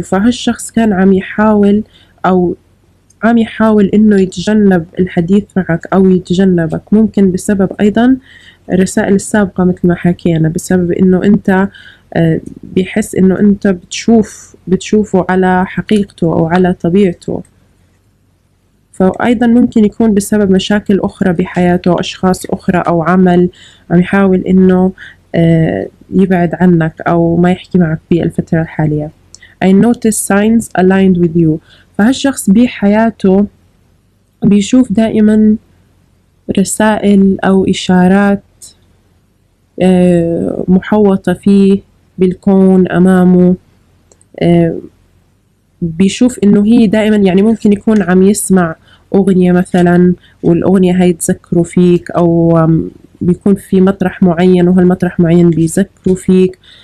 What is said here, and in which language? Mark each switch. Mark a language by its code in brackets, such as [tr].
[ar] فهالشخص كان عم يحاول أو عم يحاول إنه يتجنب الحديث معك أو يتجنبك، ممكن بسبب أيضا الرسائل السابقة مثل ما حكينا، بسبب إنه أنت بيحس إنه أنت بتشوفه على حقيقته أو على طبيعته. فأيضا ممكن يكون بسبب مشاكل أخرى بحياته، أشخاص أخرى أو عمل، عم يحاول إنه يبعد عنك أو ما يحكي معك في الفترة الحالية. [en] I notice signs aligned with you. [ar] فهالشخص بحياته بيشوف دائما رسائل أو إشارات محوطة فيه بالكون أمامه، بيشوف إنه هي دائما، يعني ممكن يكون عم يسمع أغنية مثلا والأغنية هاي تذكره فيك، أو بيكون في مطرح معين وهالمطرح معين بيذكره فيك.